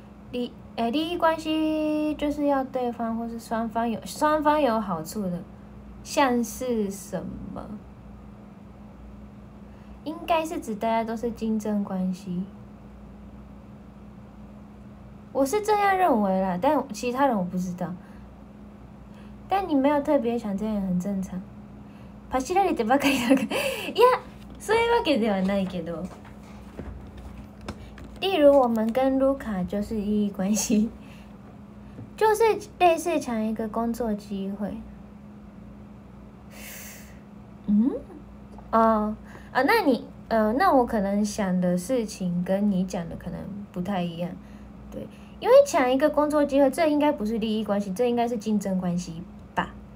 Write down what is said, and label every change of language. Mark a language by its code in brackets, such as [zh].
[zh] 利益关系就是要对方或是双方有好处的，像是什么？应该是指大家都是竞争关系，我是这样认为啦，但其他人我不知道。但你没有特别想，这样也很正常。 [ja] パシられてばかりだから、いや、そういうわけではないけど。 [zh] 例如我们跟卢卡就是利益关系，就是类似抢一个工作机会。嗯，哦。啊，那你那我可能想的事情跟你讲的可能不太一样，对，因为抢一个工作机会，这应该不是利益关系，这应该是竞争关系吧？